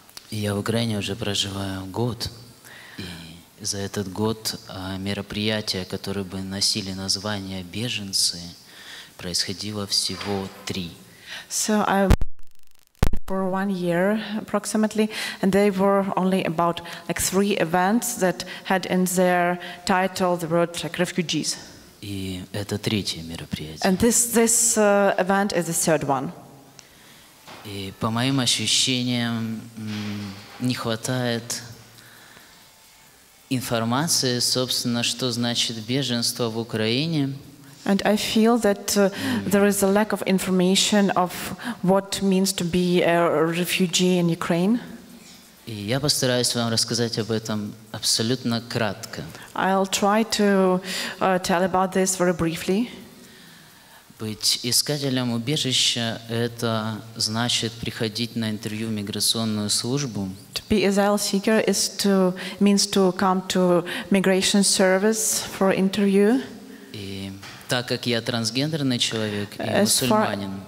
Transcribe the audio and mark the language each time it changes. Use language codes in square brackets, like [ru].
[ru] Я в Украине уже проживаю год. За этот год мероприятия, которые бы носили название беженцы, происходило всего три. [en] So I for 1 year approximately, and they were only about like three events that had in their title the word like refugees. [ru] И это третье мероприятие. [en] And this event is the third one. [ru] И по моим ощущениям не хватает информации, собственно, что значит беженство в Украине. [en] And I feel that there is a lack of information of what means to be a refugee in Ukraine. [ru] И я постараюсь вам рассказать об этом абсолютно кратко. [en] I'll try to tell about this very briefly. [ru] Быть искателем убежища – это значит приходить на интервью в миграционную службу. [en] To be an asylum seeker means to come to migration service for interview. [ru] И так как я трансгендерный человек и мусульманин.